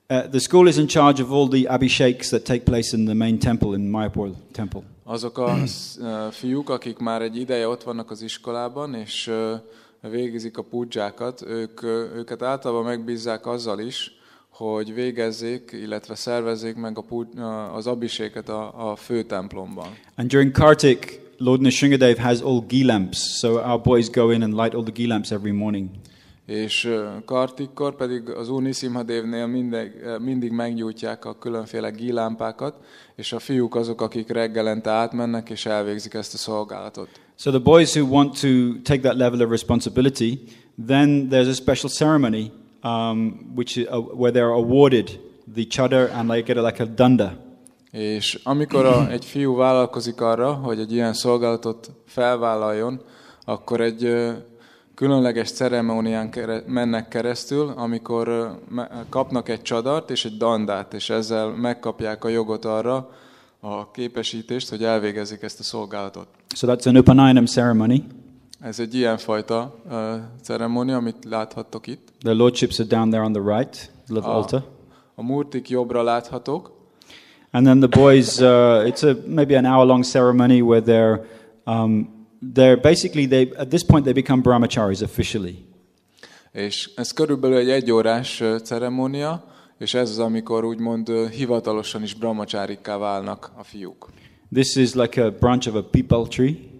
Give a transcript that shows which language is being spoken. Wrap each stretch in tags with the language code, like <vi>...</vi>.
<en>The school is in charge of all the abhishekhs that take place in the main temple, in Mayapur temple.</en> <hu>Azok a fiúk, akik már egy ideje ott vannak az iskolában, és végezik a pudzsákat, őket általában megbízzák azzal is, hogy végezzék, illetve szervezzék meg az abiséket a főtemplomban.</hu> <en>And during Kartik, Lord Nrisimhadev has all ghee lamps, so our boys go in and light all the ghee lamps every morning.</en> <hu>És Kartikkor pedig az Úr Nrisimhadevnél mindig meggyújtják a különféle ghee lámpákat, és a fiúk azok, akik reggelente átmennek és elvégzik ezt a szolgálatot.</hu> <en>So the boys who want to take that level of responsibility, then there's a special ceremony where they're awarded the chadar and they get like a danda.</en> <hu>És amikor egy fiú vállalkozik arra, hogy egy ilyen szolgálatot felvállaljon, akkor egy különleges ceremónián mennek keresztül, amikor kapnak egy csadart és egy dandát, és ezzel megkapják a jogot arra, a képesítést, hogy elvégezzék ezt a szolgálatot.</hu> <en>So that's an Upanayanam ceremony.</en> <hu>Ez egy ilyen fajta ceremónia, amit láthattok itt.</hu> <en>The lordships are down there on the right, the altar.</en> <hu>A murtik jobbra láthatok.</hu> <en>And then the boys, it's a maybe an hour-long ceremony where they're basically at this point they become brahmacharis officially.</en> <hu>És ez körülbelül egy egyórás ceremónia, és ez az, amikor úgymond hivatalosan is brahmacharikká válnak a fiúk.</hu> <en>This is like a branch of a peepal tree.</en>